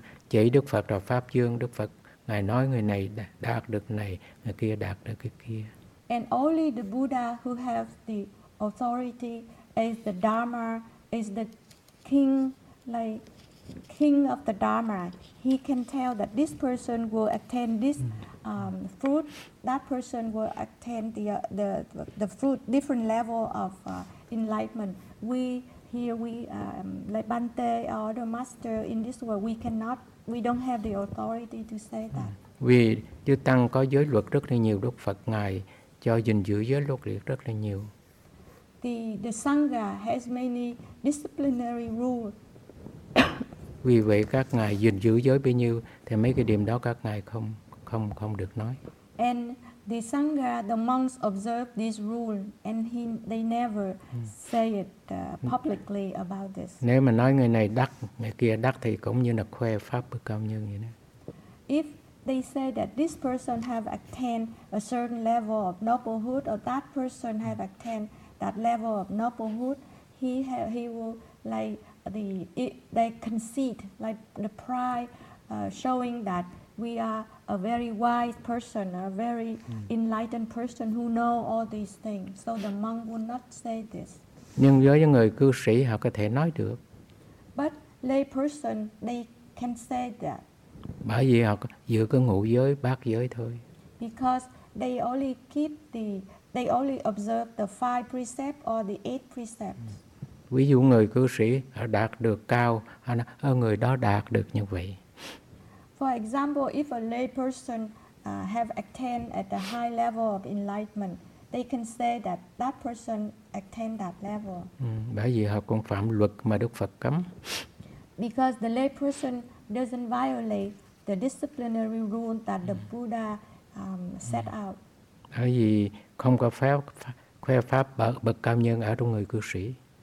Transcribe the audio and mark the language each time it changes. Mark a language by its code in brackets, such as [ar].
[vi] chỉ Đức Phật rồi Pháp Dương, Đức Phật ngài nói người này đạt được này, người kia đạt được cái kia. [en] And only the Buddha who has the authority is the Dharma, is the king, like king of the Dharma. He can tell that this person will attain this fruit, that person will attain the fruit, different level of enlightenment. Like Bhante or the master in this world, we don't have the authority to say that. [vi] Vì Chư Tăng có giới luật rất là nhiều, Đức Phật ngài cho gìn giữ giới luật liệt rất là nhiều. [en] The Sangha has many disciplinary rules. [vi] Vì vậy các ngài gìn giữ giới bao nhiêu thì mấy cái điểm đó các ngài không được nói. [en] And the Sangha, the monks observe this rule and they never say it publicly about this. [vi] Nếu mà nói người này đắc, người kia đắc thì cũng như là khoe pháp bậc cao nhân vậy đó. [en] If they say that this person have attained a certain level of noblehood or that person have attained that level of noblehood, they concede, like the pride, showing that we are a very wise person, a very enlightened person who know all these things. So the monk will not say this. [vi] Nhưng với những người cư sĩ họ có thể nói được. [en] But lay person, they can say that. [vi] Bởi vì họ giữ cái ngũ giới, bát giới thôi. [en] Because they only keep they only observe the five precepts or the eight precepts. [vi] Ví dụ người cư sĩ họ đạt được cao, họ nói, người đó đạt được như vậy. [en] For example, if a lay person have attained at a high level of enlightenment, they can say that that person attained that level. [vi] Bởi vì họ cũng phạm luật mà Đức Phật cấm. [en] Because the lay person doesn't violate the disciplinary rule that the Buddha set out. [vi] Bởi vì không có phép khoe pháp bậc cao nhân ở trong người cư sĩ.